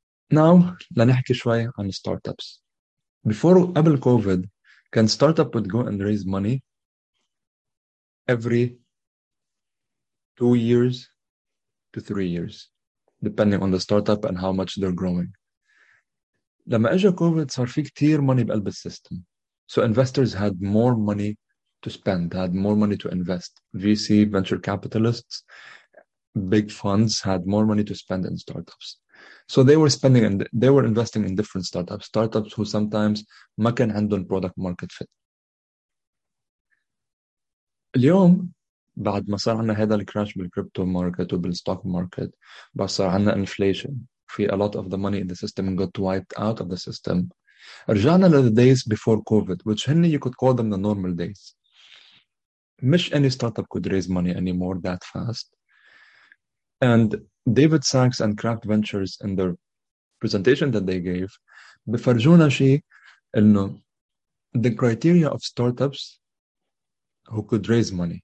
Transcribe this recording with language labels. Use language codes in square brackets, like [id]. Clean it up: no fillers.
[en] Now [ar] لنحكي شوي عن [en] startups. Before [ar] قبل [en] COVID, can startup would go and raise money every 2 years to 3 years, depending on the startup and how much they're growing. [ar] لما اجى COVID صار في كتير money بقلب السيستم. [en] So investors had more money to spend, had more money to invest. VC, venture capitalists, big funds had more money to spend in startups. So they were spending and they were investing in different startups, startups who sometimes [ar] ما كان عندهم [en] product market fit. [ar] اليوم بعد ما صار عنا هذا الكراش بالكريبتو ماركت وبالستوك ماركت بس صار عنا انفليشن في [en] a lot of the money in the system [ar] got wiped out of the system, رجعنا [en] للدايز بيفور كوفيد، which [ar] هني [en] you could call them the normal days. مش any startup could raise money anymore that fast. And David Sachs and Cracked Ventures in their presentation that they gave [ar] بفرجونا شيء إنه [en] the criteria of startups who could raise money.